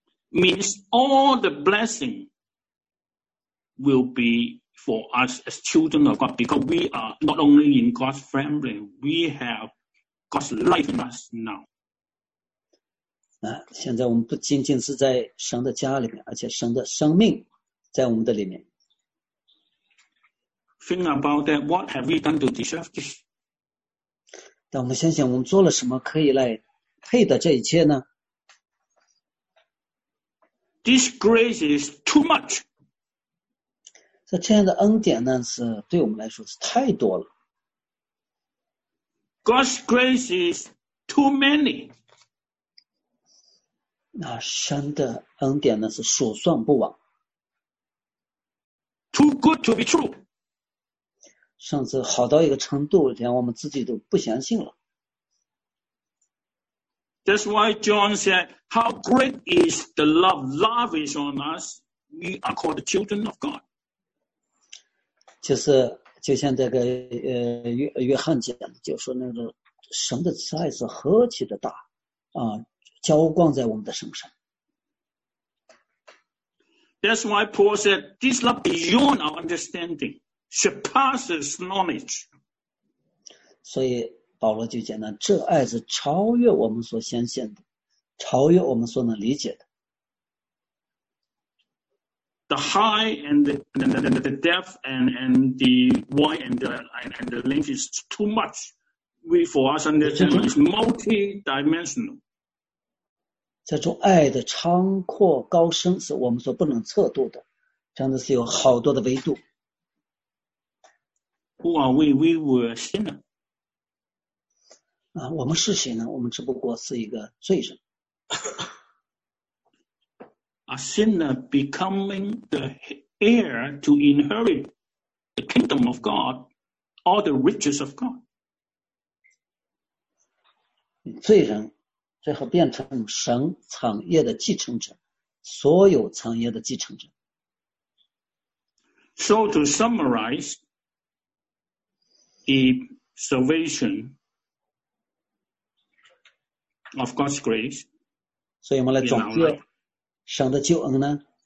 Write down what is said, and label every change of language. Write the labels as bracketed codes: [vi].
[en] Means all the blessing will be for us as children of God, because we are not only in God's family, we have God's life in us now. [zh] 现在我们不仅仅是在神的家里面，而且神的生命在我们的里面。 [en] Think about that. What have we done to deserve this? [zh] 但我们想想，我们做了什么可以来配得这一切呢？ [en] This grace is too much. [zh] 这样的恩典呢，是对我们来说是太多了。 [en] God's grace is too many. [zh] 那神的恩典呢，是数算不完。 [en] Too good to be true. [zh] 甚至好到一个程度，连我们自己都不相信了。 [en] That's why John said, "How great is the love? Love is on us. We are called the children of God." [zh] 就是就像这个约翰讲的，就说那个神的慈爱是何其的大啊。浇灌在我们的身上。 [en] That's why Paul said, "This love beyond our understanding surpasses knowledge." [zh] 所以保罗就讲了，这爱是超越我们所显现的，超越我们所能理解的。 [en] The high and the depth and the wide and the length is too much. We for us understanding is multi-dimensional. [zh] 这种爱的长阔高深是我们所不能测度的，真的是有好多的维度。 [en] who are we? We were sinners. [zh] 啊，我们是谁呢？我们只不过是一个罪人。 [en] A sinner becoming the heir to inherit the kingdom of God, all the riches of God. [zh] 罪人最后变成神产业的继承者，所有产业的继承者。 [en] So to summarize the salvation of God's grace. [zh] 所以我们来总结神的救恩呢？